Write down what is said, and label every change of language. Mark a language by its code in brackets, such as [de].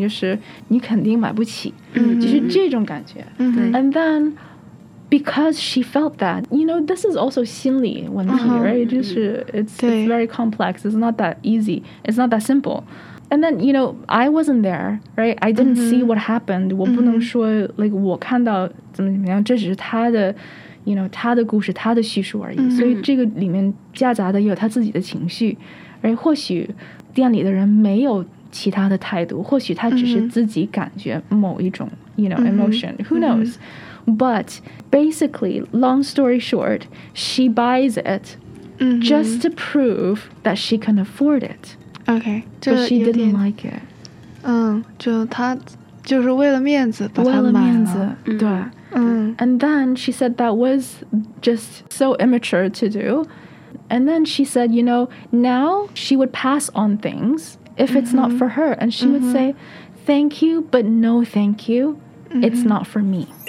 [zh] 就是你肯定买不起、就是这种感觉、 [en] And then, because she felt that, you know, this is also [zh] 心理问题 [en] right? [zh] 就是 [en] it's very complex. It's not that easy. It's not that simple. And then, you know, I wasn't there, right? I didn't see what happened. [zh] 我不能说 [en] like, [zh] 我看到怎么怎么样，这只是他的 [en] you know, [zh] 他的故事，他的叙述而已。所以这个里面夹杂的也有他自己的情绪。而或许店里的人没有其他的态度，或许他只是自己感觉某一种 [en] you know, emotion. Who knows? But basically, long story short, she buys it mm-hmm. just to prove that she can afford it. Okay. But she didn't like it. [zh] 嗯，就她就是为了面子把她买了。为了面子，对。嗯。 [en] And then she said that was just so immature to do. And then she said, you know, now she would pass on things if it's not for her. And she would say, thank you, but no thank you. It's not for me.